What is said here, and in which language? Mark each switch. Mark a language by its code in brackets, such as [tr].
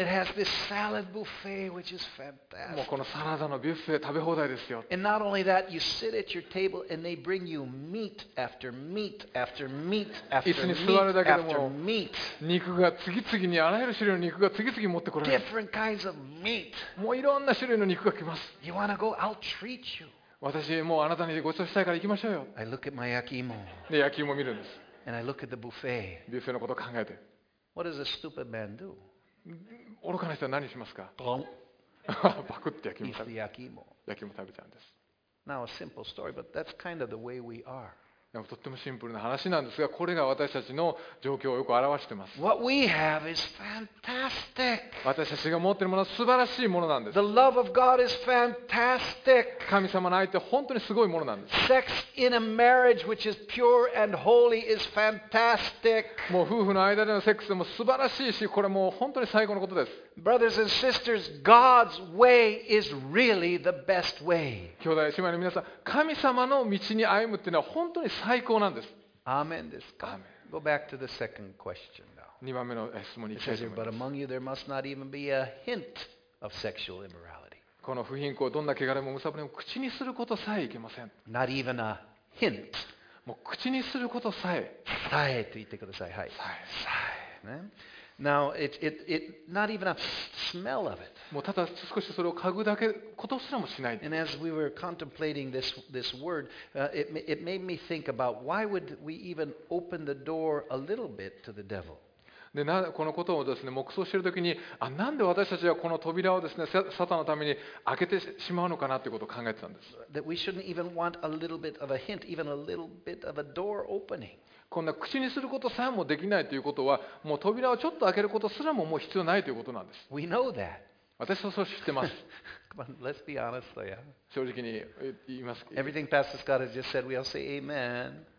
[en] And it has this salad buffet, which is fantastic. [ja] もうこのサラダのビュッフェ食べ放題ですよ。 [en] And not only that, you sit at your table and they bring you meat after meat after meat after meat after meat. [ja] 肉が次々にあらゆる種類の肉が次々持ってこられる。 [en] Different kinds of meat. [ja] もういろんな種類の肉が来ます。 [en] You wanna go? I'll treat you. [ja] 私もうあなたにご馳走したいから行きましょうよ。 [en] I look at my 焼き芋。 [ja] で焼き芋見るんです。 [en] And I look at the buffet. [ja] ビュッフェのことを考えて。 [en] What does a stupid man do? [ja] 愚かな人は何しますか。パクって焼き芋食べちゃうんです。 [en] Now a simple story, but that's kind of the way we are. [ja] でもとってもシンプルな話なんですが、これが私たちの状況をよく表しています。 [en] What we have is fantastic. [ja] 私たちが持っているものは素晴らしいものなんです。 [en] The love of God is fantastic. [ja] 神様の愛って本当にすごいものなんです。 [en] Sex in a marriage which is pure and holy is fantastic. [ja] もう夫婦の間でのセックスも素晴らしいし、これもう本当に最高のことです。 [en] Brothers and sisters, God's way is really the best way. [ja] 兄弟姉妹の皆さん、神様の道に歩むっていうのは本当に最高なんです。アーメンですか。アーメン。 [en] Go back to the second question now. [ja] 2番目の質問に行きたいと思います。 [en] But among you there must not even be a hint of sexual immorality. [ja] この不貧困をどんな汚れもむさぶりも口にすることさえいけません。 [en] Not even a hint. [ja] もう口にすることさえ。さえと言ってください。はい。さえ。さえ。ね。 [en] Now it not even a smell of it. [ja] もうただ少しそれを嗅ぐだけことすらもしない。 [en] And as we were contemplating this word, it made me think about why would we even open the door a little bit to the devil? [ja] でこのことをですね、黙想しているときに、あ、なんで私たちはこの扉をですね、サタンのために開けてしまうのかなということを考えてたんです。 [en] That we shouldn't even want a little bit of a hint, even a little bit of a door opening. [ja] こんな口にすることさえもできないということは、もう扉をちょっと開けることすらももう必要ないということなんです。 [en] We know that. [ja] 私はそう知ってます。 [en] Come on, let's be honest though, yeah. [ja] 正直に言います。 [en] Everything Pastor Scott has just said, we all say amen.